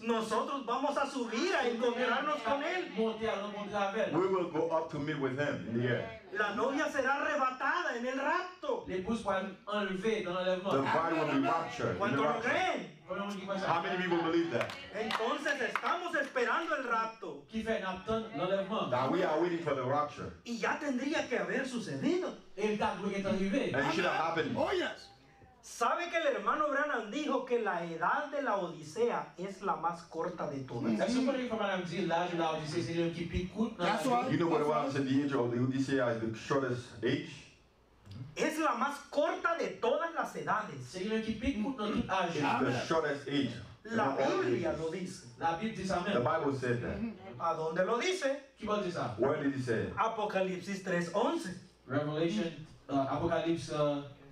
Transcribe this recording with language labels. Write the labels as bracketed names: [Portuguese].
[Spanish] Nosotros vamos a subir a encontrarnos con él. [English] We will go up to meet with him in the air. [Spanish] La novia será arrebatada en el rapto. [English] The bride will be raptured in the rapture. How many people believe that? [Spanish] Entonces estamos esperando el rapto. [English] That we are waiting for the rapture. [Spanish] Y ya tendría que haber sucedido. [English] And it should have happened. Oh yes. [Spanish] ¿Sabe que el hermano Branham dijo que la edad de la Odisea es la más corta de todas? [English] You know what I said, the age of the Odisea is the shortest age? [Spanish] Es la más corta de todas las edades. [English] It's the shortest age. [Spanish] La Biblia lo dice. La Biblia dice. [English] The Bible said that. [Spanish] ¿A dónde lo dice? [English] Where did it say? [Spanish] Apocalipsis 3:11. [English] Revelation, Apocalipsis...